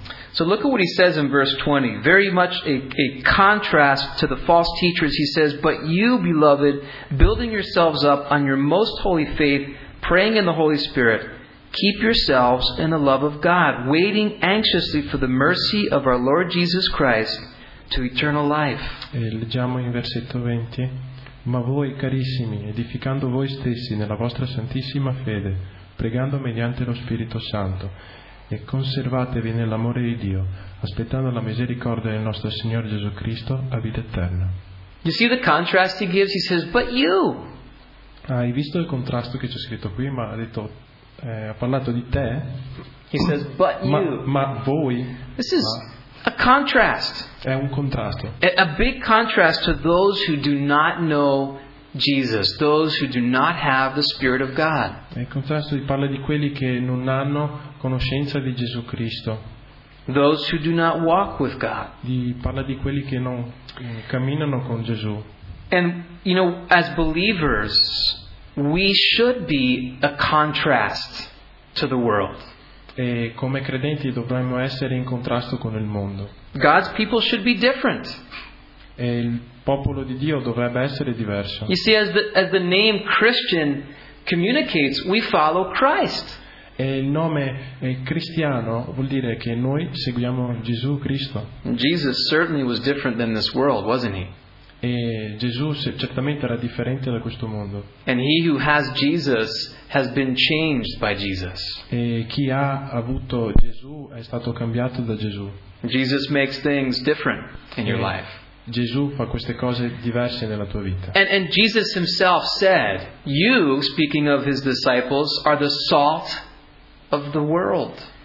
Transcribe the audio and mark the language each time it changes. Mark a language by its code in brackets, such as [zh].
[en] So look at what he says in verse 20. Very much a contrast to the false teachers. He says, "But you, beloved, building yourselves up on your most holy faith, praying in the Holy Spirit, keep yourselves in the love of God, waiting anxiously for the mercy of our Lord Jesus Christ to eternal life." [it] E leggiamo in versetto 20. Ma voi, carissimi, edificando voi stessi nella vostra santissima fede, pregando mediante lo Spirito Santo, e conservatevi nell'amore di Dio, aspettando la misericordia del nostro Signore Gesù Cristo a vita eterna. [en] You see the contrast he gives? He says, "But you." [it] Hai visto il contrasto che c'è scritto qui? Ma ha detto, ha parlato di te. [en] He says, "But you." [it] Ma voi. [en] This is A contrast. [it] È un contrasto. [en] A big contrast to those who do not know Jesus, those who do not have the Spirit of God. [it] È un contrasto, parla di quelli che non hanno conoscenza di Gesù Cristo. [en] Those who do not walk with God. [it] Parla di quelli che non camminano con Gesù. [en] And you know, as believers, we should be a contrast to the world. [it] E come credenti dovremmo essere in contrasto con il mondo. [en] God's people should be different. [it] E il popolo di Dio dovrebbe essere diverso. [en] You see, as the name Christian communicates, we follow Christ. [it] E il nome cristiano vuol dire che noi seguiamo Gesù Cristo. [en] Jesus certainly was different than this world, wasn't he? [it] E Gesù certamente era differente da questo mondo. [en] And he who has Jesus has been changed by Jesus. [it] E chi ha avuto Gesù è stato cambiato da Gesù. [en] Jesus makes things different in your life. [it] Gesù fa queste cose diverse nella tua vita. [en] And Jesus himself said, you, speaking of his disciples, are the salt of the world.